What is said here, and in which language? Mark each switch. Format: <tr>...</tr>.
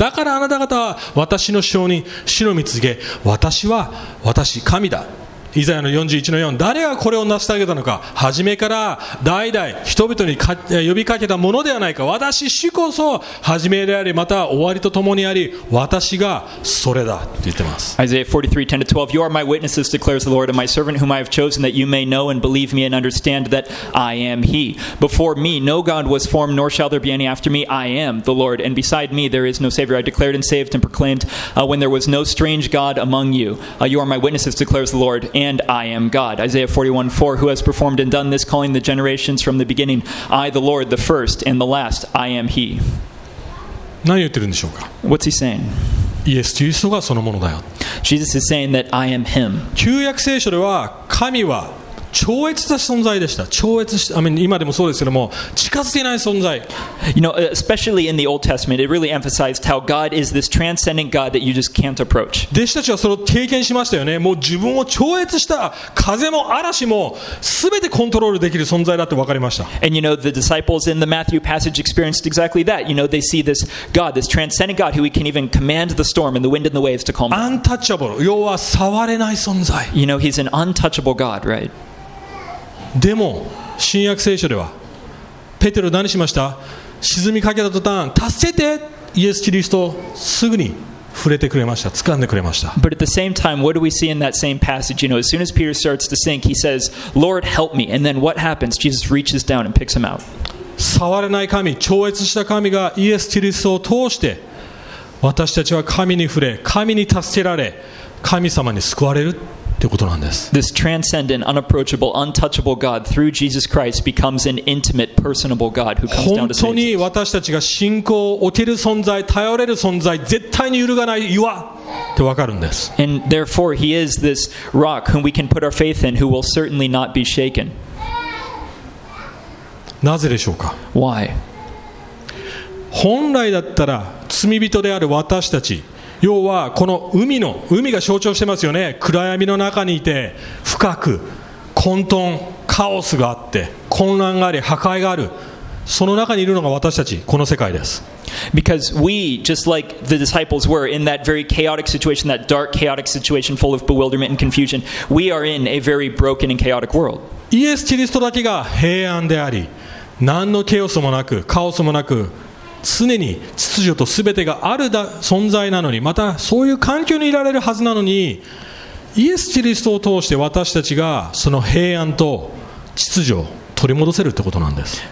<ja>だからあなた方は私の証人、主の御告げ、私は私、神だ。イザヤの 41-4、 誰がこれを成し遂げたのか、初めから代々人々に呼びかけたものではないか。私、主こそ初めであり、また終わりとともにあり、私がそれだと言ってます。</ja> <en>Isaiah 43:10-12, You are my witnesses, declares the Lord, and my servant whom I have chosen, that you may know and believe me and understand that I am he. Before me no God was formed, nor shall there be any after me. I am the Lord, and beside me there is no Savior. I declared and saved and proclaimed when there was no strange God among you. You are my witnesses, declares the Lord, and I am God. Isaiah 41:4, who has performed and done this, calling the generations from the beginning, I the Lord, the first and the last, I am he.</en> <ja>何言ってるんでしょうか?</ja> <en>What's he saying?</en> <ja>イエス・キリストがそのものだよ。</ja> <en>Jesus is saying that I am him.</en> <ja>旧約聖書では神は超越した存在でした。超越し、</ja> <en>I mean,</en> <ja>今でもそうですけども、近づけない存在。</ja> <en>You know, especially in the Old Testament, it really emphasized how God is this transcendent God that you just can't approach.</en> <ja>弟子たちはそれを経験しましたよね。もう自分を超越した風も嵐も全てコントロールできる存在だって分かりました。</ja> <en>And you know, the disciples in the Matthew passage experienced exactly that. You know, they see this God, this transcendent God who can even command the storm and the wind and the waves to calm down. Untouchable,</en> <ja>要は触れない存在。</ja> <en>You know, he's an untouchable God, right?</en> <ja>でも新約聖書ではペテロ何しました？沈みかけた途端助けてイエス・キリストすぐに触れてくれました。掴んでくれました。</ja> <en>But at the same time, what do we see in that same passage? You know, as soon as Peter starts to sink, he says, "Lord, help me." And then what happens? Jesus reaches down and picks him out.</en> <ja>触れない神、超越した神がイエス・キリストを通して私たちは神に触れ、神に助けられ、神様に救われる。</ja> <en>This transcendent, unapproachable, untouchable God through Jesus Christ becomes an intimate, personable God who comes down to save us.</en> <ja>本当に私たちが信仰を置ける存在、頼れる存在、絶対に揺るがない岩。ってわかるんです。</ja> <en>And therefore he is this rock whom we can put our faith in, who will certainly not be shaken.</en> <ja>なぜでしょうか?</ja> <en>Why?</en> <ja>本来だったら罪人である私たち、要はこの海の、海が象徴してますよね。暗闇の中にいて深く混沌、カオスがあって混乱があり破壊がある、その中にいるのが私たち、この世界です。</ja> <en>Because we, just like the disciples were, in that very chaotic situation, that dark chaotic situation full of bewilderment and confusion, we are in a very broken and chaotic world.</en> <ja>イエス・キリストだけが平安であり、何のケオスもなく、カオスもなく、常に秩序と全てがある存在なのに、またそういう環境にいられるはずなのに、イエス・キリストを通して私たちがその平安と秩序、取り戻せるってことなんです。</ja>